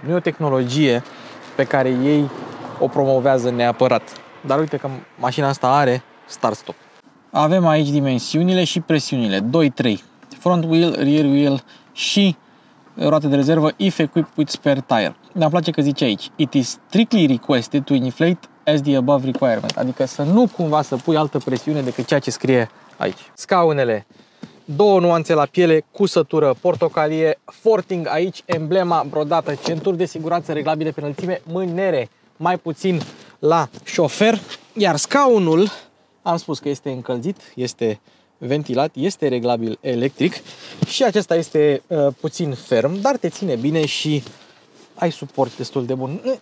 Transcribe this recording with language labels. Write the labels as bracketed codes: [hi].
[ro] Nu e o tehnologie pe care ei o promovează neapărat. Dar uite că mașina asta are start stop. Avem aici dimensiunile și presiunile. 2-3. [en] Front wheel, rear wheel [ro] și roate de rezervă [en] if equipped with spare tire. [ro] Ne-am place că zice aici. [en] It is strictly requested to inflate as the above requirement. [ro] Adică să nu cumva să pui altă presiune decât ceea ce scrie aici. Scaunele. Două nuanțe la piele, cusătură portocalie, forting aici, emblema brodată, centuri de siguranță reglabile pe înălțime, mânere mai puțin la șofer. Iar scaunul, am spus că este încălzit, este ventilat, este reglabil electric și acesta este puțin ferm, dar te ține bine și ai suport destul de bun.